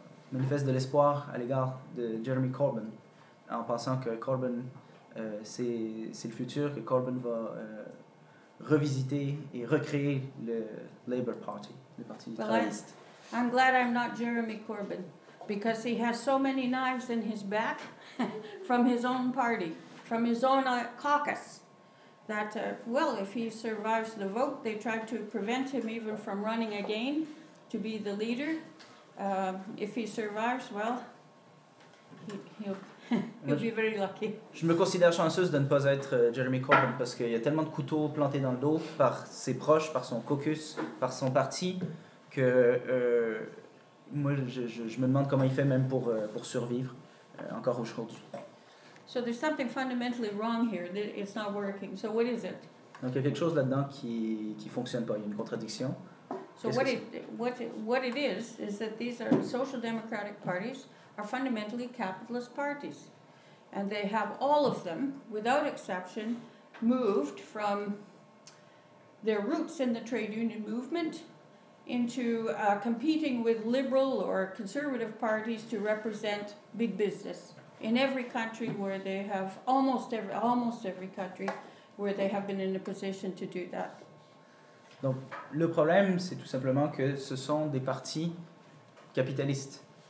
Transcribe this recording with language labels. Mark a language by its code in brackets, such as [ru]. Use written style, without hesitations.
[fr] manifestent de l'espoir à l'égard de Jeremy Corbyn, en pensant que Corbyn, c'est le futur, que Corbyn va... revisiter et recréer le Labour Party, le Parti Travailliste. [en] Well, I'm glad I'm not Jeremy Corbyn, because he has so many knives in his back from his own party, from his own caucus, that, well, if he survives the vote, they tried to prevent him even from running again to be the leader. If he survives, well, he'll be very lucky. [fr] Je me considère chanceuse de ne pas être Jeremy Corbyn parce qu'il y a tellement de couteaux plantés dans le dos par ses proches, par son caucus, par son parti, que moi, je me demande comment il fait même pour survivre encore aujourd'hui. [en] So there's something fundamentally wrong here. It's not working. So what is it? [fr] Donc il y a quelque chose là-dedans qui fonctionne pas. Il y a une contradiction. [en] So what it is that these are social democratic parties are fundamentally capitalist parties. And they have all of them, without exception, moved from their roots in the trade union movement into competing with liberal or conservative parties to represent big business in every country where they have, almost every country where they have been in a position to do that. [fr] Donc, le problème, c'est tout simplement que ce sont des partis capitalistes.